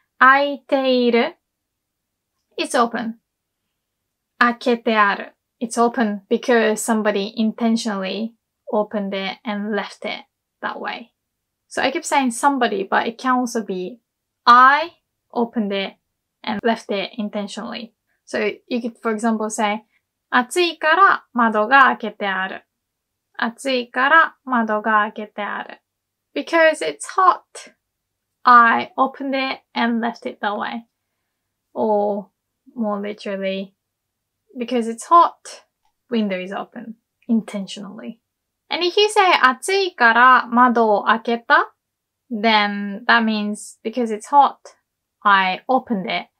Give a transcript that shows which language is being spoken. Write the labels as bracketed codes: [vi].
[ja] 開いている [en] it's open. [ja] 開けてある [en] it's open because somebody intentionally opened it and left it that way. So I keep saying somebody, but it can also be I opened it and left it intentionally. So you could, for example, say, [ja] 暑いから窓が開けてある。暑いから窓が開けてある。 [en] Because it's hot, I opened it and left it that way. Or more literally, because it's hot, window is open intentionally. And if you say [ja] 暑いから窓を開けた, [en] then that means because it's hot, I opened it.